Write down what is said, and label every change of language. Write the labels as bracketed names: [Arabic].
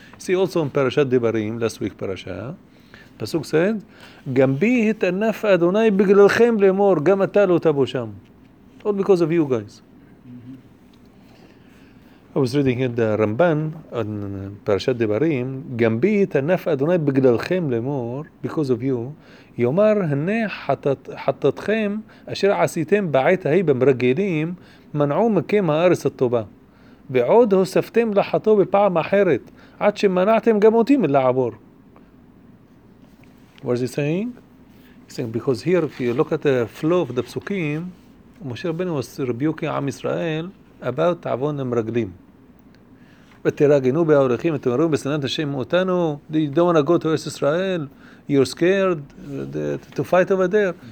[English] See, also in Parashat Devarim, last week Parasha, Pasuk said, [Hebrew] "Gambi hitanaf Adonai b'gilalchem lemor gam atalo tabosham." [English] All because of you guys. I was reading here the Ramban on Parashat Devarim, [Hebrew] "Gambi hitanaf Adonai b'gilalchem lemor," [English] because of you, [Hebrew] "Yomar hane hatatchem asher asitem ba'et hay b'mragelim." מנעו מכם הארץ הטובה, ועוד הוספתם לחטוא בפעם אחרת, עד שמנעתם גם אותי מלעבור. [English] What is he saying? He's saying, because here, if you look at the flow of the psukim, Moshe Rabbeinu was rebuking Am Israel about עוון המרגלים. [Hebrew] ותרגנו בהורכים, אתם רואים בסנת השם אותנו, [English] they don't want to go to Israel, you're scared to fight over there.